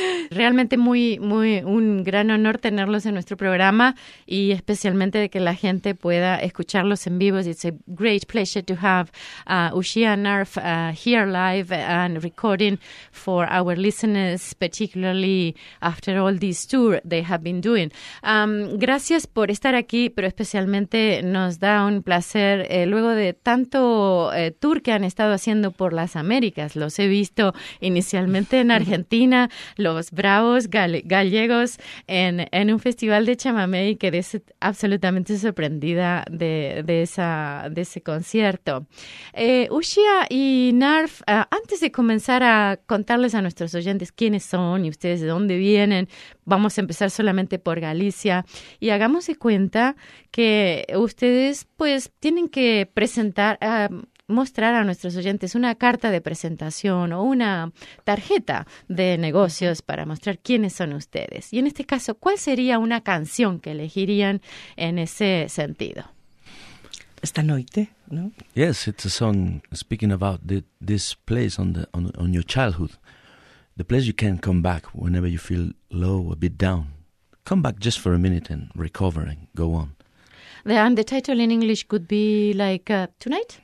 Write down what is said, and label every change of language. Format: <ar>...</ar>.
<es>Realmente muy un gran honor tenerlos en nuestro programa y especialmente de que la gente pueda escucharlos en vivo.</es> <en>It's a great pleasure to have Uxia and Narf here live and recording for our listeners, particularly after all this tour they have been doing.</en> <es>Gracias por estar aquí, pero especialmente nos da un placer luego de tanto tour que han estado haciendo por las Américas. Los he visto inicialmente en Argentina, los bravos gallegos en un festival de chamamé, y quedé absolutamente sorprendida de ese concierto. Uxia y Narf, antes de comenzar a contarles a nuestros oyentes quiénes son y ustedes de dónde vienen, vamos a empezar solamente por Galicia y hagamos de cuenta que ustedes pues tienen que presentar, mostrar a nuestros oyentes una carta de presentación o una tarjeta de negocios para mostrar quiénes son ustedes. Y en este caso, ¿cuál sería una canción que elegirían en ese sentido? Esta noche, ¿no?</es> <en>Yes, it's a song speaking about this place on your childhood. The place you can come back whenever you feel low, a bit down. Come back just for a minute and recover and go on. And the title in English could be like Tonight?</en>